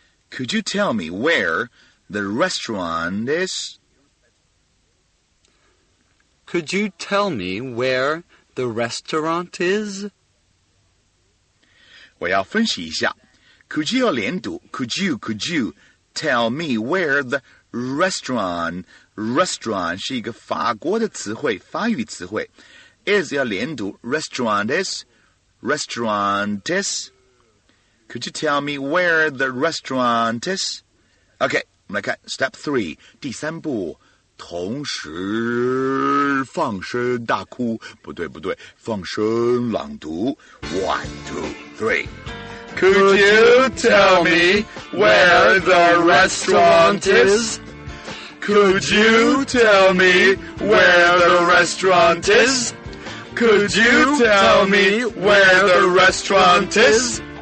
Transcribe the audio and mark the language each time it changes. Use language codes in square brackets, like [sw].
[en] Could you tell me where the restaurant is? Could you tell me where the restaurant is? [zh] 我要分析一下。 [en] Could you [zh] 要连读。 [en] Could you tell me where the restaurant is? [zh] Restaurant 是一个法国的词汇，法语词汇。 [en] Is [zh] 要连读 [en] ，restaurant is, restaurant is. Could you tell me where the restaurant is? [zh] Okay, 我们来看 step 3, 第三步，同时放声大哭。不对，放声朗读。1, 2, 3. [en] Could you tell me where the restaurant is? Could you tell me where the restaurant is? Could you tell me where the restaurant is?